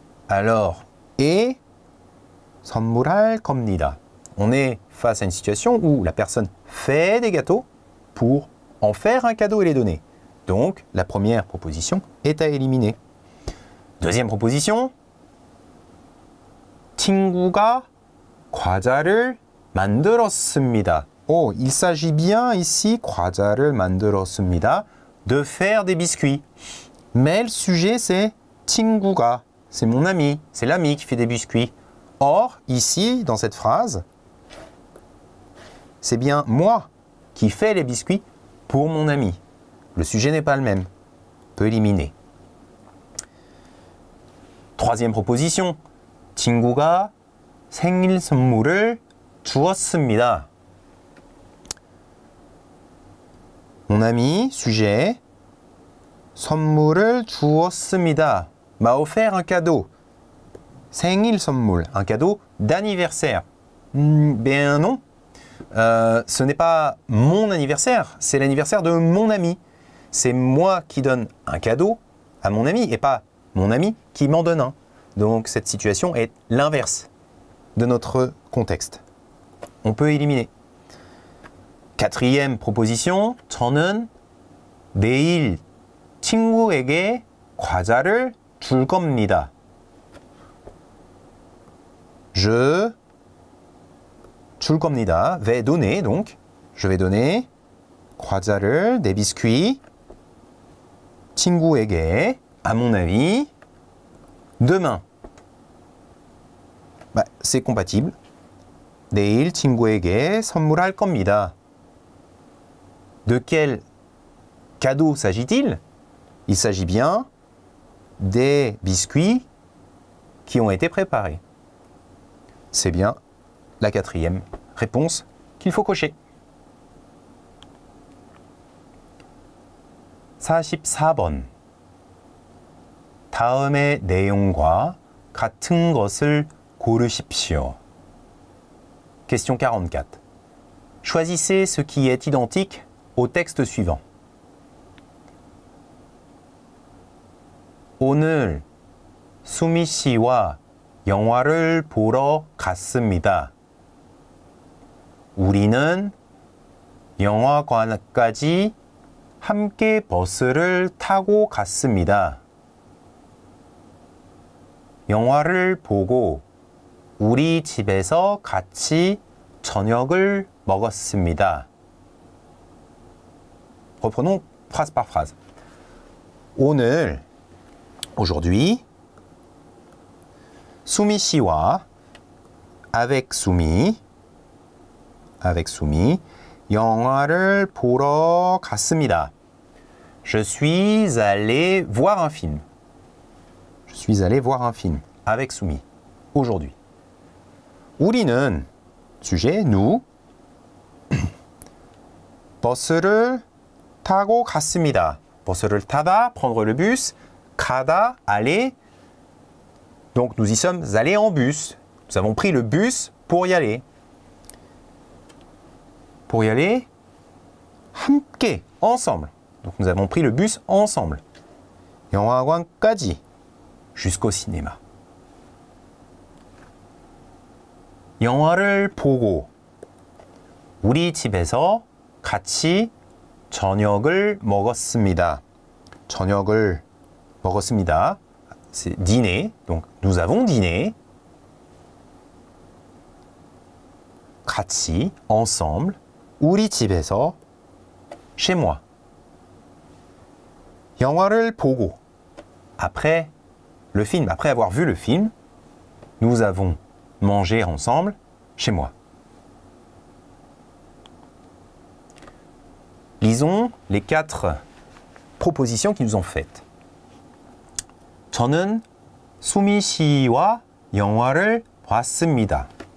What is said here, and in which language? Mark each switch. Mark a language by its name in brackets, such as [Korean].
[French] Alors, [Korean] et 선물할 겁니다. [French] On est face à une situation où la personne fait des gâteaux pour en faire un cadeau et les donner. Donc, la première proposition est à éliminer. Deuxième proposition. [Korean] 친구가 과자를 만들었습니다. [French] Oh, il s'agit bien ici, [Korean] 과자를 만들었습니다, [French] de faire des biscuits. Mais le sujet, c'est 친구가. C'est mon ami. C'est l'ami qui fait des biscuits. Or, ici, dans cette phrase, c'est bien moi qui fais les biscuits pour mon ami. Le sujet n'est pas le même. On peut éliminer. Troisième proposition. [Korean] 친구가 생일 선물을 주었습니다. [French] Mon ami, sujet. [Korean] 선물을 주었습니다. [French] M'a offert un cadeau. [Korean] 생일 선물, [French] un cadeau d'anniversaire. Ben non, ce n'est pas mon anniversaire, c'est l'anniversaire de mon ami. C'est moi qui donne un cadeau à mon ami et pas mon ami qui m'en donne un. Donc cette situation est l'inverse de notre contexte. On peut éliminer. Quatrième proposition, [Korean] 저는 내일 친구에게 과자를 줄 겁니다. [French] Je [Korean] 줄 겁니다. [French] Vais donner donc. Je vais donner 과자를 des biscuits 친구에게 à mon ami demain. Bah, c'est compatible. [Korean] 내일 친구에게 선물할 겁니다. [French] De quel cadeau s'agit-il? Il s'agit bien des biscuits qui ont été préparés. C'est bien la quatrième réponse qu'il faut cocher. [Korean] 44번. 다음의 내용과 같은 것을 고르십시오. [French] Question 44. Choisissez ce qui est identique au texte suivant. [Korean] 오늘 수미 씨와 영화를 보러 갔습니다. 우리는 영화관까지 함께 버스를 타고 갔습니다. 영화를 보고 우리 집에서 같이 저녁을 먹었습니다. [French] Reprenons phrase par phrase. 오늘 aujourd'hui [Korean] 수미 씨와 [French] avec Soumi [Korean] 영화를 보러 갔습니다. [French] Je suis allé voir un film. Je suis allé voir un film avec Soumi aujourd'hui. [Korean] 우리는 [French] sujet nous [Korean] 버스를 타고 갔습니다. 버스를 타다, [French] prendre le bus, 가다, aller. Donc nous y sommes allés en bus. Nous avons pris le bus pour y aller. Pour y aller 함께, ensemble. Donc nous avons pris le bus ensemble. [Korean] 영화관까지 [French] jusqu'au cinéma. [Korean] 영화를 보고 우리 집에서 같이 저녁을 먹었습니다. 저녁을 먹었습니다. [French] C'est dîner. Donc nous avons dîné. [Korean] 같이 [French] ensemble [Korean] 우리 집에서 [French] chez moi. [Korean] 영화를 보고 [French] après le film, après avoir vu le film, nous avons mangé ensemble chez moi. Lisons les quatre propositions qu'ils nous ont faites. [Korean] 저는 수미 씨와 영화를 봤습니다.